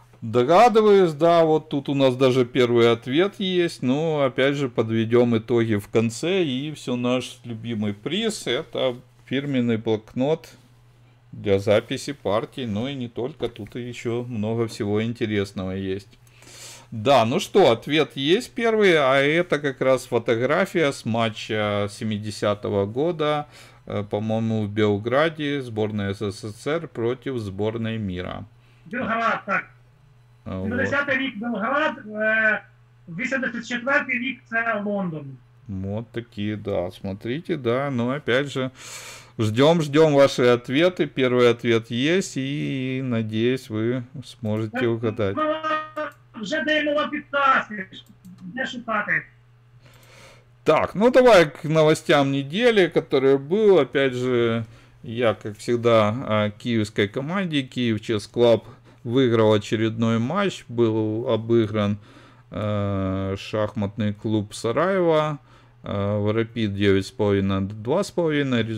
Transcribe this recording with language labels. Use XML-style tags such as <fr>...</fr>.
<ru>Догадываюсь, да, вот тут у нас даже первый ответ есть, но опять же подведем итоги в конце, и все, наш любимый приз — это фирменный блокнот для записи партий, но и не только, тут еще много всего интересного есть. Да, ну что, ответ есть первый, а это как раз фотография с матча 70-го года, по-моему, в Белграде, сборная СССР против сборной мира. Белград, так.</ru> <uk>70-й рік Белград, 84-й рік це Лондон.</uk> <ru>Вот такие, да, смотрите, да, но опять же, ждем ваши ответы, первый ответ есть, и надеюсь, вы сможете угадать.</ru> <uk>Вже даємо вам підказки, де шукати.</uk> <ru>Так, ну давай к новостям</ru> <uk>неділі,</uk> <ru>которые</ru> <uk>був,</uk> <ru>опять же, я, как всегда, о</ru> <uk>київській команді,</uk> <ru>Київ Чес Клаб, выиграл очередной матч, был обыгран шахматный клуб Сараева в Рапид 9.5-2.5.</ru>